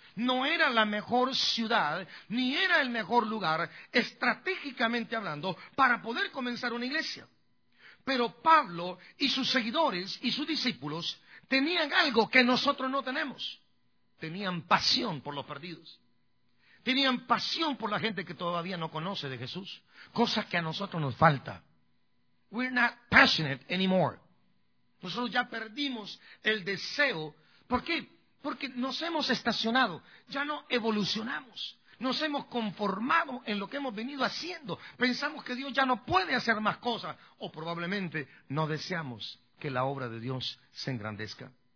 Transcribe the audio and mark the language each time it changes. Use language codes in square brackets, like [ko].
[es] no era la mejor ciudad, ni era el mejor lugar, estratégicamente hablando, para poder comenzar una iglesia. Pero Pablo y sus seguidores y sus discípulos tenían algo que nosotros no tenemos. Tenían pasión por los perdidos. Tenían pasión por la gente que todavía no conoce de Jesús. Cosa que a nosotros nos falta. [en] We're not passionate anymore. [es] Nosotros ya perdimos el deseo. ¿Por qué? Porque nos hemos estacionado. Ya no evolucionamos. Nos hemos conformado en lo que hemos venido haciendo. Pensamos que Dios ya no puede hacer más cosas. O probablemente no deseamos que la obra de Dios se engrandezca.